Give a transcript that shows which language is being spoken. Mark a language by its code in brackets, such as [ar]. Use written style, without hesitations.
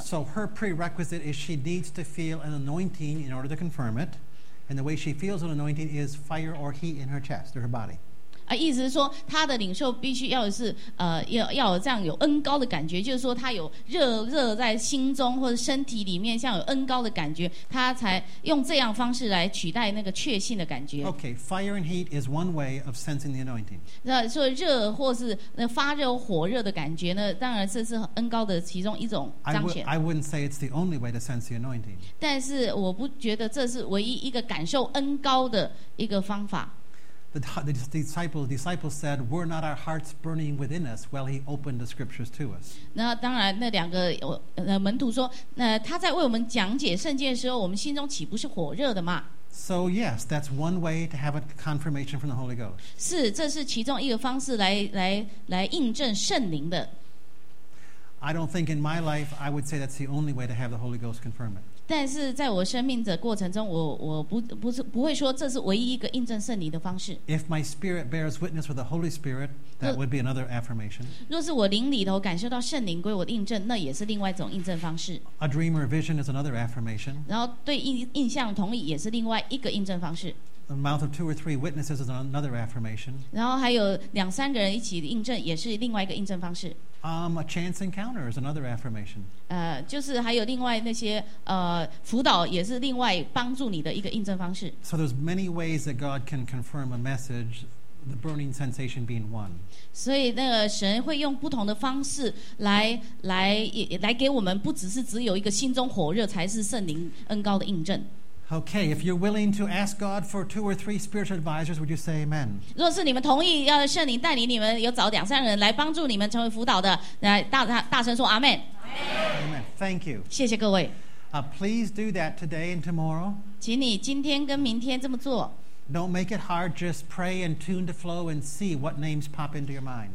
[en] So her prerequisite is she needs to feel an anointing in order to confirm it, and the way she feels an anointing is fire or heat in her chest or her body. [zh] 意思是说，他的领受必须要是要这样有恩膏的感觉，就是说他有热在心中或者身体里面，像有恩膏的感觉，他才用这样方式来取代那个确信的感觉。 [en] Okay, fire and heat is one way of sensing the anointing. [zh] 那说热或是那发热火热的感觉呢？当然这是恩膏的其中一种彰显。 [en] I wouldn't say it's the only way to sense the anointing. [zh] 但是我不觉得这是唯一一个感受恩膏的一个方法。 [en] The disciples said, "Were not our hearts burning within us while he opened the scriptures to us?" [zh] 那当然，那两个门徒说，那他在为我们讲解圣经的时候，我们心中岂不是火热的吗？ [en] So yes, that's one way to have a confirmation from the Holy Ghost. [zh] 是，这是其中一个方式来印证圣灵的。 [en] I don't think in my life I would say that's the only way to have the Holy Ghost confirm it. [zh] 但是在我生命的过程中，我不会说这是唯一一个印证圣灵的方式。 [en] If my spirit bears witness with the Holy Spirit, that would be another affirmation. [zh] 若是我灵里头感受到圣灵归我的印证，那也是另外一种印证方式。 [en] A dream or vision is another affirmation. [zh] 然后对印象同意也是另外一个印证方式。 [en] The mouth of two or three witnesses is another affirmation. [zh] 然后还有两三个人一起印证，也是另外一个印证方式。 [en] A chance encounter is another affirmation. [zh] 就是还有另外那些辅导也是另外帮助你的一个印证方式。 [en] So there's many ways that God can confirm a message, the burning sensation being one. [zh] 所以那个神会用不同的方式来给我们，不只是只有一个心中火热才是圣灵恩膏的印证。 [en] Okay, if you're willing to ask God for two or three spiritual advisors, would you say amen? [zh] 若是你们同意要圣灵带领你们，有找两三人来帮助你们成为辅导的，来大声说 amen. [en] Amen. Thank you. [zh] 谢谢各位。 [en] Please do that today and tomorrow. [zh] 请你今天跟明天这么做。 [en] Don't make it hard. Just pray and tune to flow and see what names pop into your mind.